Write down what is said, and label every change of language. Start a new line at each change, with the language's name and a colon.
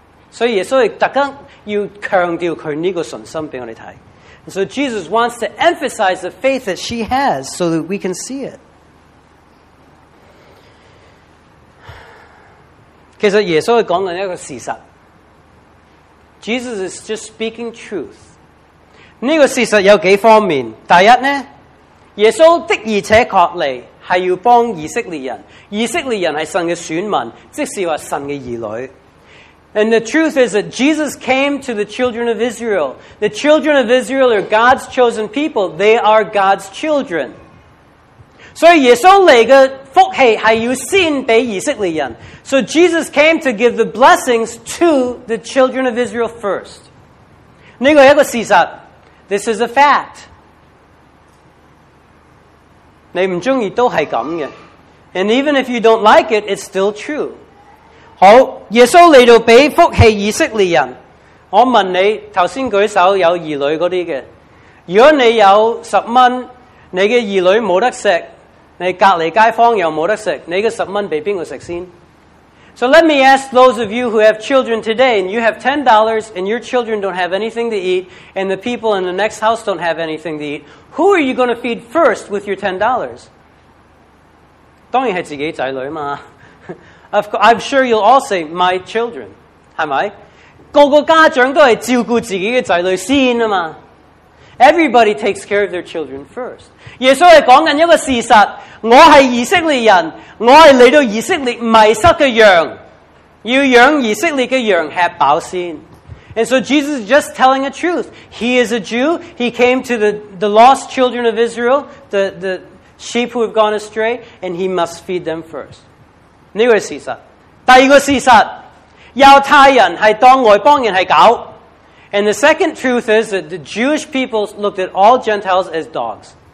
Chinese: 所以耶稣特意要强调她这个信心给我们看。
English: So Jesus wants to emphasize the faith that she has so that we can see it.
Chinese: 其实耶稣是讲了一个事实。
English: Jesus is just speaking truth.
Chinese: 这个事实有几方面。第一呢，耶稣的而且确来是要帮以色列人。以色列人是神的选民，即是说神的儿女。
English: And the truth is that Jesus came to the children of Israel. The children of Israel are God's chosen people. They are God's children.
Chinese: 所以耶稣来的福气是要先给以色列人。
English: So Jesus came to give the blessings to the children of Israel first.
Chinese: 这个是一个事实。
English: This is a fact.
Chinese: 你不喜欢都是这样的。
English: And even if you don't like it, it's still true.
Chinese: 好，耶稣来到给福气以色列人。我问你，刚才举手有儿女那些的，如果你有10元，你的儿女没得吃，你隔离街坊又没得吃，你的10元被谁吃先？
English: So let me ask those of you who have children today, and you have $10, and your children don't have anything to eat, and the people in the next house don't have anything to eat, who are you going to feed first with your $10?
Chinese: 当然是自己仔女嘛。
English: I'm sure you'll all say, my children,
Chinese: 是吗？个个家长都是照顾自己的仔女先嘛。
English: Everybody takes care of their children first.
Chinese: 耶稣是讲一个事实，我是以色列人，我是来到以色列迷失的羊，要养以色列的羊吃饱先。
English: And so Jesus is just telling the truth. He is a Jew, he came to the lost children of Israel, the sheep who have gone astray, and he must feed them first.
Chinese: 这个是事实。第二个事实，犹太人是当外邦人是狗。
English: And the second truth is that the Jewish people looked at all Gentiles as dogs.